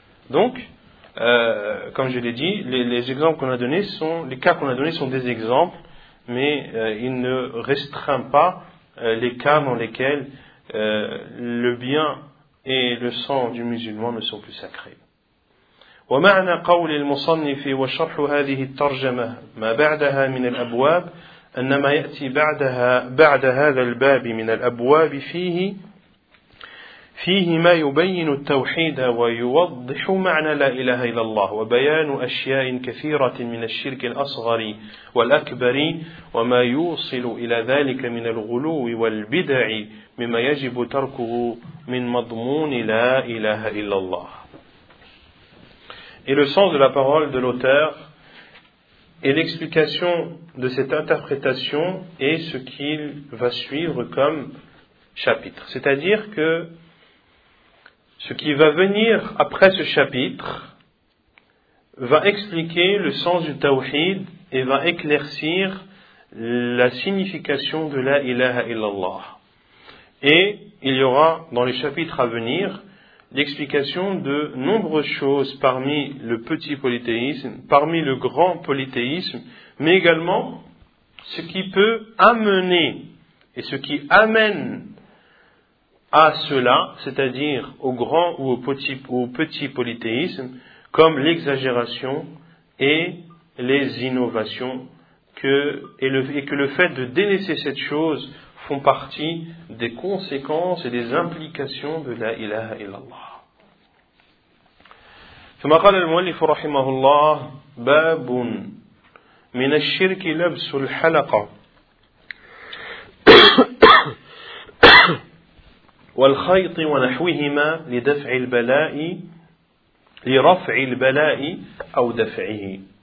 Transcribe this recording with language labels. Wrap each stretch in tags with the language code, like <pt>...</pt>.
<fr>Donc, comme je l'ai dit, les exemples qu'on a donnés sont, les cas qu'on a donnés sont des exemples, mais ils ne restreignent pas les cas dans lesquels le bien et le sang du musulman ne sont plus sacrés.</fr> <ar>ومعنى قول المصنف وشرح هذه الترجمة ما بعدها من الأبواب أن ما يأتي بعدها بعد هذا الباب من الأبواب فيه ما يبين التوحيد ويوضح معنى لا إله إلا الله وبيان أشياء كثيرة من الشرك الأصغر والأكبر وما يوصل إلى ذلك من الغلو والبدع مما يجب تركه من مضمون لا إله إلا الله.</ar> <fr>Et le sens de la parole de l'auteur et l'explication de cette interprétation est ce qu'il va suivre comme chapitre. C'est-à-dire que ce qui va venir après ce chapitre va expliquer le sens du tawhid et va éclaircir la signification de la ilaha illallah. Et il y aura dans les chapitres à venir l'explication de nombreuses choses parmi le petit polythéisme, parmi le grand polythéisme, mais également ce qui peut amener et ce qui amène à cela, c'est-à-dire au grand ou au petit polythéisme, comme l'exagération et les innovations que, et que le fait de délaisser cette chose font partie des conséquences et des implications de la ilaha illallah.</fr> <ar>ثم قال المؤلف رحمه الله باب من الشرك لبس الحلقة والخيط ونحوهما لدفع البلاء لرفع البلاء أو دفعه</ar>